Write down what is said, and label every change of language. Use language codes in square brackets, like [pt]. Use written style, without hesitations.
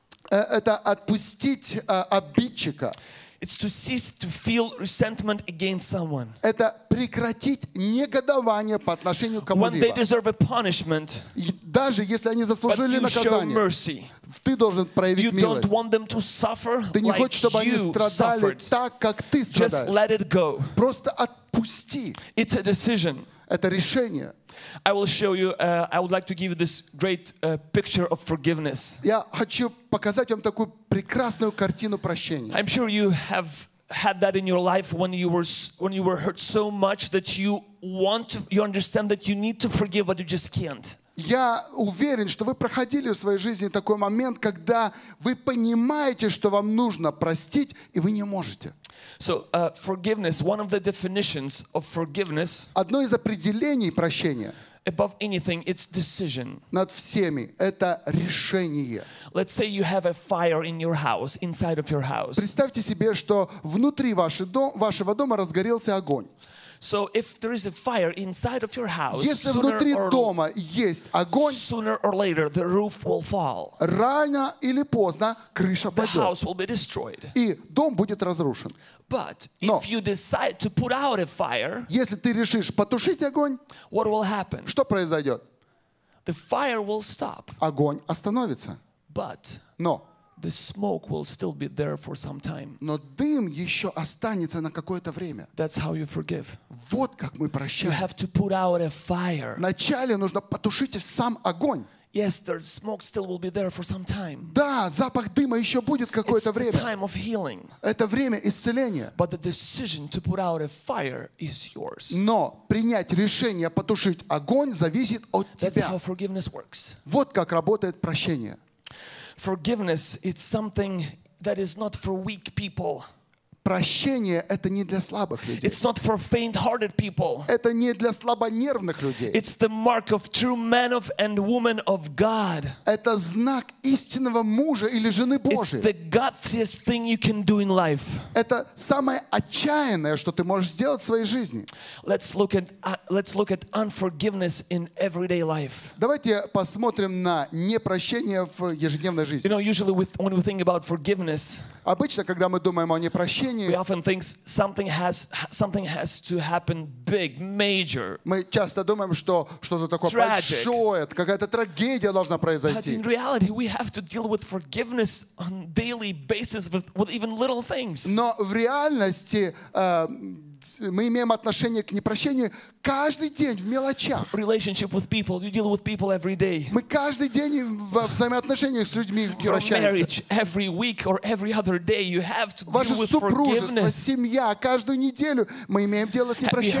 [ru] Это отпустить обидчика. [en] It's to cease to feel resentment against someone. [ru] Это прекратить негодование по отношению к кому-либо. [en] When they deserve a punishment, [ru] даже если они заслужили наказание, [en] but you show mercy. [ru] Ты должен проявить милость. [en] You don't want them to suffer like you suffered. [ru] Ты не хочешь, чтобы они страдали так, как ты страдаешь. [en] Just let it go. [ru] Просто отпусти. [en] It's a decision. [ru] Это решение. [en] I will show you. I would like to give you this great picture of forgiveness. [ru] Я хочу показать вам такую прекрасную картину прощения. [en] I'm sure you have had that in your life when you were hurt so much that you understand that you need to forgive, but you just can't. [ru] Я уверен, что вы проходили в своей жизни такой момент, когда вы понимаете, что вам нужно простить, и вы не можете. [en] So, forgiveness, one of the definitions of forgiveness, [ru] одно из определений прощения, [en] above anything, it's decision. [ru] Над всеми, это решение. [en] Let's say you have a fire in your house, inside of your house. [ru] Представьте себе, что внутри вашего дома разгорелся огонь. [en] So if there is a fire inside of your house, [ru] если внутри дома есть огонь, [en] sooner or later the roof will fall. [ru] Рано или поздно крыша падет. [en] The house will be destroyed. [ru] И дом будет разрушен. [en] But if you decide to put out a fire, [ru] если ты решишь потушить огонь, [en] what will happen? [ru] Что произойдет? [en] The fire will stop. [ru] Огонь остановится. [en] But [ru] но [en] the smoke will still be there for some time. [ru] Но дым еще останется на какое-то время. [en] That's how you forgive. [ru] Вот как мы прощаем. [en] You have to put out a fire. [ru] Вначале нужно потушить сам огонь. [en] Yes, the smoke still will be there for some time. [ru] Да, запах дыма еще будет какое-то [en] It's [ru] время. [en] The time of healing. [ru] Это время исцеления. [en] But the decision to put out a fire is yours. [ru] Но принять решение потушить огонь зависит от [en] That's [ru] тебя. [en] How forgiveness works. [ru] Вот как работает прощение. [en] Forgiveness is something that is not for weak people. [ru] Прощение — это не для слабых людей. [en] It's not for faint-hearted people. [ru] Это не для слабонервных людей. [en] It's the mark of true man of and woman of God. [ru] Это знак истинного мужа или жены Божьей. [en] It's the gutsiest thing you can do in life. [ru] Это самое отчаянное, что ты можешь сделать в своей жизни. [en] Let's look at unforgiveness in everyday life. [ru] Давайте посмотрим на непрощение в ежедневной жизни. [en] You know, usually when we think about forgiveness, [ru] обычно, когда мы думаем о непрощении, [en] We often think something has to happen big, major. [ru] Мы часто думаем, что что-то такое большое, какая-то трагедия должна произойти. [en] But in reality, we have to deal with forgiveness on daily basis with even little things. [ru] Но в реальности мы имеем отношение к непрощению каждый день в мелочах. [en] Relationship with people, you deal with people every day. [ru] Мы каждый день в взаимоотношениях с людьми прощаемся. [en] Your marriage every week or every other day, you have to deal with [ru] Ваше супружество, семья, каждую неделю мы имеем дело с непрощением.